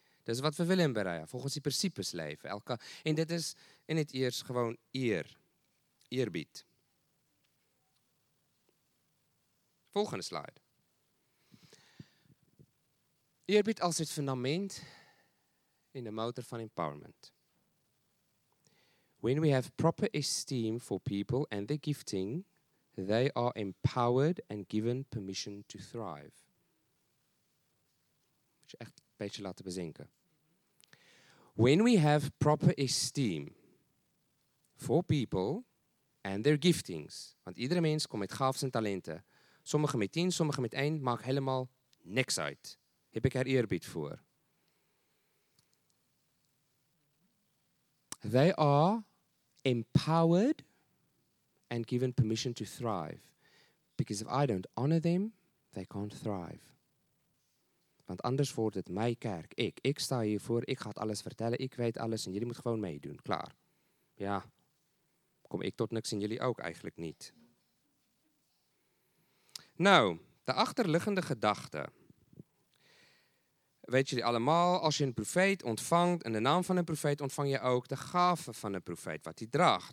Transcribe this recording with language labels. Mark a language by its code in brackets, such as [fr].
[nl] Dat is wat we willen bereiken, volgens die principes leven. En dit is in het eerst gewoon eerbied. Volgende slide. Eerbied als het fundament in de motor van empowerment. [en] When we have proper esteem for people and their gifting, they are empowered and given permission to thrive. [nl] Moet je echt een beetje laten bezinken. [en] When we have proper esteem for people and their giftings, [nl] want iedere mens komt met gaven en talenten, sommige met 10, sommige met 1, maakt helemaal niks uit. Heb ik er eerbied voor. [en] They are empowered and given permission to thrive. Because if I don't honor them, they can't thrive. [nl] Want anders wordt het mijn kerk. Ik sta hiervoor, ik ga het alles vertellen, ik weet alles en jullie moeten gewoon meedoen. Klaar. Ja, kom ik tot niks en jullie ook eigenlijk niet. Nou, de achterliggende gedachte. Weet jullie allemaal, als je een profeet ontvangt, en de naam van een profeet ontvang je ook, de gave van een profeet, wat hij draagt.